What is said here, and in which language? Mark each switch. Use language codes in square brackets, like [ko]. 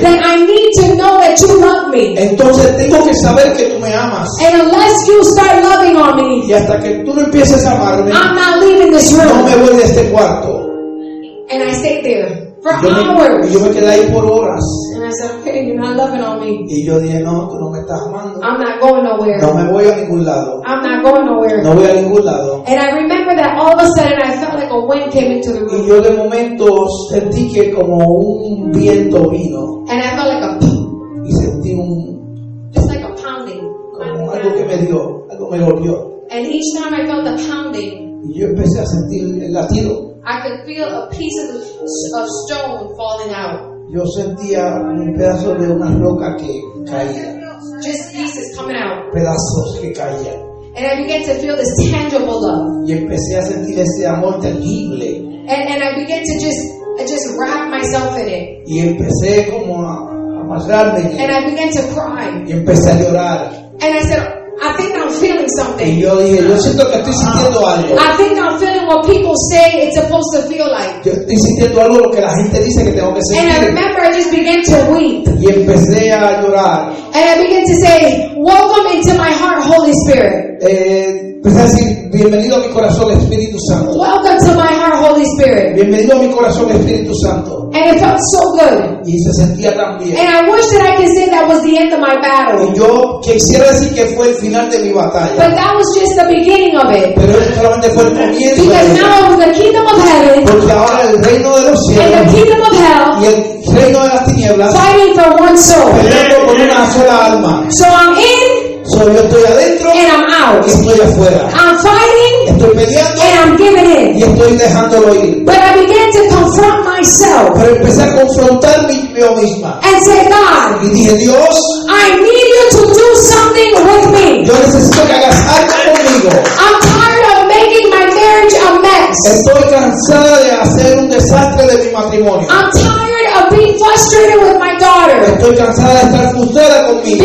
[en] Then I need to know that you love me. [es] Entonces tengo que saber que tú me amas. [en] And unless you start loving on me. [es] Y hasta que tú no empieces a amarme. [en] I'm not leaving this room. [es] No me voy de este cuarto. [en] And I stayed there for hours. [es] Y yo me quedé ahí por horas. [en] Okay, you're not loving on me. [es] Y yo dije, no, tú no me estás amando. [en] I'm not going nowhere. [es] No me voy a ningún lado. [en] I'm not going nowhere. [es] No voy a ningún lado. [en] And I remember that all of a sudden I felt like a wind came into the room. [es] Y yo de momento sentí que como un viento vino. [en] And I felt like a pum. [es] Y sentí un [en] just like a pounding. [es] Como algo que me dio, algo me golpeó. [en] And each time I felt the pounding. [es] Y yo empecé a sentir el latido. [en] I could feel a piece of stone falling out. [es] Yo sentía un pedazo de una roca que caía. [en] Just pieces coming out. [es] Pedazos que caían. [en] And I began to feel this tangible love. [es] Y empecé a sentir ese amor tangible. [en] And I began to just wrap myself in it. [es] Y empecé como a amarrarme. [en] And I began to cry. [es] Y empecé a llorar. [en] And I said, I think I'm feeling something. [es] Y yo dije, yo siento que estoy sintiendo algo. [en] I think I'm feeling what people say it's supposed to feel like. [es] Yo estoy sintiendo algo lo que la gente dice que tengo que sentir. [en] And I remember I just began to weep. [es] Y empecé a llorar. [en] And I began to say, welcome into my heart, Holy Spirit. [es] Empecé a decir, bienvenido a mi corazón, Espíritu Santo. [en] Welcome to my heart, Holy Spirit. [es] Bienvenido a mi corazón, Espíritu Santo. [en] And it felt so good. [es] Y se sentía tan bien. [en] And I wish that I could say that was the end of my battle. [es] Y yo quisiera decir que fue el final de mi batalla. [en] But that was just the beginning of it. [es] Pero eso solamente fue el comienzo. [en] Because now it was the kingdom of heaven. [es] Porque ahora el reino de los cielos. [en] And the kingdom of hell. [es] Y el reino de las tinieblas. [en] Fighting for one soul. [es] Peleando por una sola alma. [en] So I'm in. [es] So yo estoy adentro. [en] And I'm out. [es] Y estoy afuera. [en] I'm fighting. [es] Estoy peleando. [en] And I'm giving in. [es] Y estoy dejándolo ir. [en] But I began to confront myself. [es] Pero empecé a confrontarme yo misma. [en] And say, God. [es] Y dije, Dios. [en] I need you to do something with me. [es] Yo necesito que hagas algo conmigo. [en] I'm tired of making my marriage a mess. [es] Estoy cansada de hacer un desastre de mi matrimonio. [en] I'm tired of being frustrated with my daughter. [es] Estoy cansada de estar frustrada conmigo.